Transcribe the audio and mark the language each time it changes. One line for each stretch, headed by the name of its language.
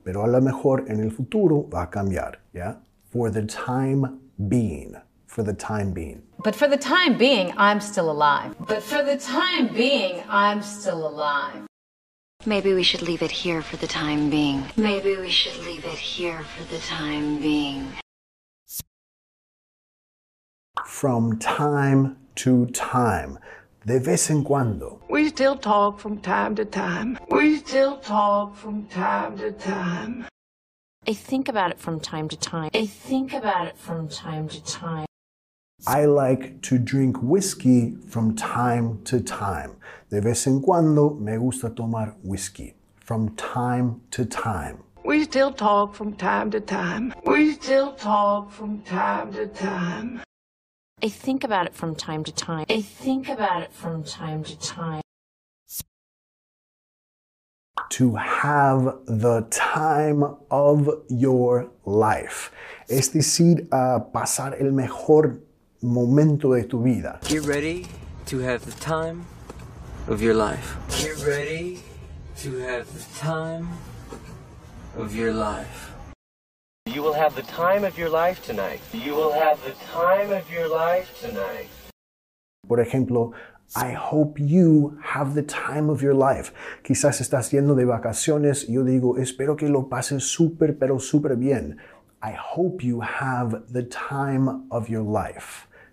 Spanish: Pero a lo mejor en el futuro va a cambiar, ¿ya?
English: For the time being. For the time being. But for the time being, I'm still alive. But for the time being, I'm still alive. Maybe we should leave it here for the time being. Maybe we should leave it here for the time being. From time to time.
Spanish: De vez en cuando.
English: We still talk from time to time. We still talk from time to time. I think about it from time to time. I think about it from time to time. I like to drink whiskey from time to time.
Spanish: De vez en cuando me gusta tomar whiskey.
English: From time to time. We still talk from time to time. We still talk from time to time. I think about it from time to time. I think about it from time to time. To have the time of your life.
Spanish: Es decir, pasar el mejor momento de tu vida.
English: Get ready to have the time of your life. Get ready to have the time of your life. You will have the time of your life tonight. You will have the time of your life tonight.
Spanish: Por ejemplo,
English: I hope you have the time of your life.
Spanish: Quizás estás yendo de vacaciones. Yo digo, espero que lo pases súper, pero súper bien.
English: I hope you have the time of your life.